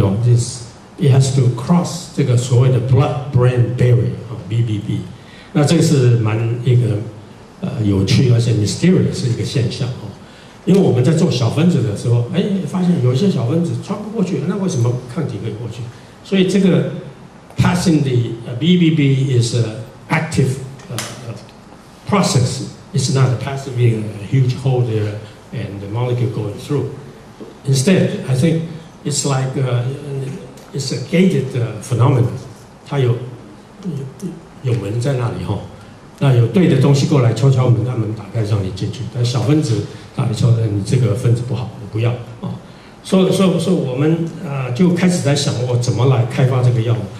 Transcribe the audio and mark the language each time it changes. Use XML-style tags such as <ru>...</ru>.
<en>You know this, it has to cross</en> <zh>这个所谓的</zh> <en>blood brain barrier BBB。</en> <zh>那这个是蛮一个有趣而且 mysterious 一个现象，因为我们在做小分子的时候，哎，发现有些小分子穿不过去，那为什么抗体可以过去？所以这个</zh> <en>passing the BBB is an active process. It's not passing a huge hole there and the molecule going through. Instead, I think it's like it's a gated phenomenon.</en> <zh>它有门在那里，那有对的东西过来敲敲门，那门打开让你进去。但小分子打来敲，你这个分子不好，我不要啊。所以我们就开始在想，我怎么来开发这个药物。</zh>